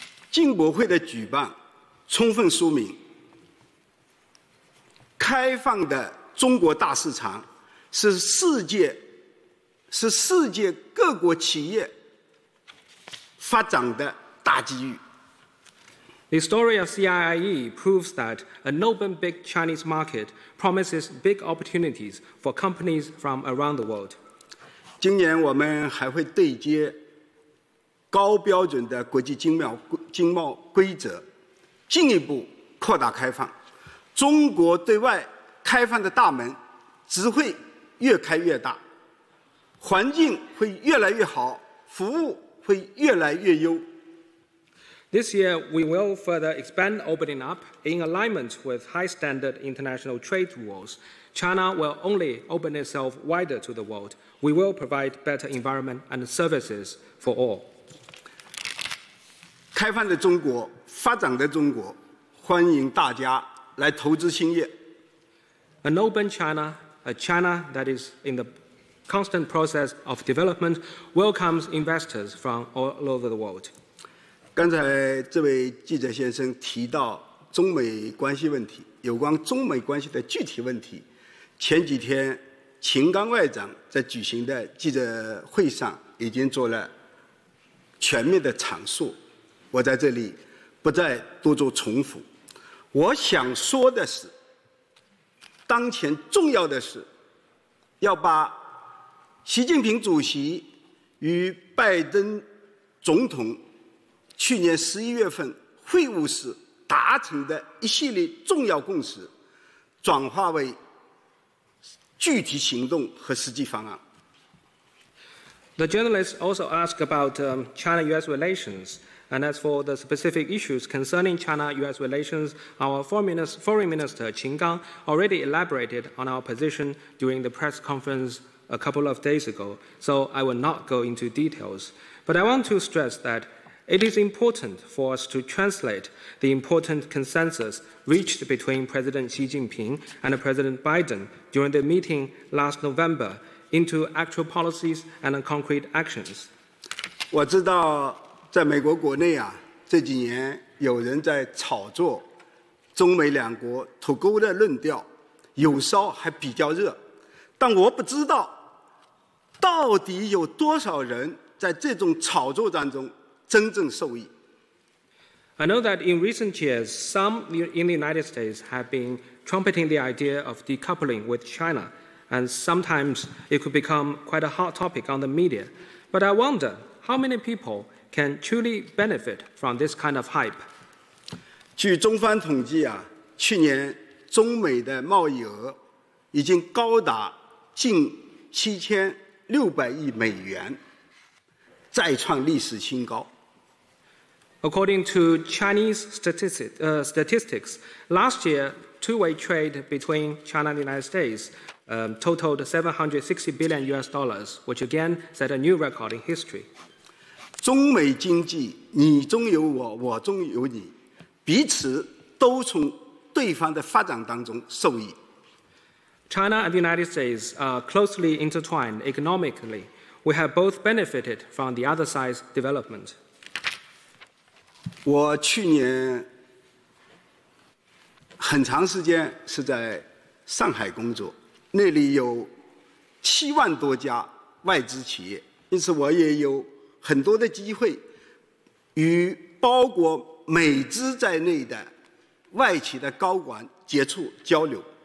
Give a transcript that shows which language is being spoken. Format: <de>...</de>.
<zh>进博会的举办充分说明开放的中国大市场是世界各国企业发展的大机遇。</zh> <en>The story of CIIE proves that an open big Chinese market promises big opportunities for companies from around the world.</en> <zh>今年我们还会对接高标准的国际经贸规则，进一步扩大开放，中国对外开放的大门只会越开越大，环境会越来越好，服务会越来越优。</zh> <en>This year, we will further expand opening up in alignment with high standard international trade rules. China will only open itself wider to the world. We will provide better environment and services for all.</en> <zh>开放的中国，发展的中国，欢迎大家来投资兴业。</zh> <en>An open China, a China that is in the constant process of development, welcomes investors from all over the world.</en> <zh>刚才这位记者先生提到中美关系问题，有关中美关系的具体问题，前几天秦刚外长在举行的记者会上已经做了全面的阐述。我在这里不再多做重复。我想说的是，当前重要的是要把习近平主席与拜登总统去年11月份会晤时达成的一系列重要共识转化为具体行动和实际方案。</zh> <en>The journalists also asked about China-US relations. And as for the specific issues concerning China-US relations, our Foreign Minister Qin Gang already elaborated on our position during the press conference a couple of days ago, so I will not go into details. But I want to stress that it is important for us to translate the important consensus reached between President Xi Jinping and President Biden during the meeting last November into actual policies and concrete actions.</en> <zh>我知道在美国国内啊，这几年有人在炒作中美两国脱钩的论调，有烧还比较热，但我不知道到底有多少人在这种炒作当中真正受益。</zh> <en>I know that in recent years, some in the United States have been trumpeting the idea of decoupling with China, and sometimes it could become quite a hot topic on the media. But I wonder how many people can truly benefit from this kind of hype.</en> <zh>据中方统计啊，去年中美的贸易额已经高达近7600亿美元，再创历史新高。</zh> <en>According to Chinese statistics, last year two-way trade between China and the United States totaled $760 billion, which again set a new record in history.</en> <zh>中美经济你中有我，我中有你，彼此都从对方的发展当中受益。</zh> <en>China and the United States are closely intertwined economically. We have both benefited from the other side's development.</en> <zh>我去年很长时间是在上海工作，那里有70000多家外资企业，因此我也有很多的机会与包括美资在内的外企的高管接触交流。</zh>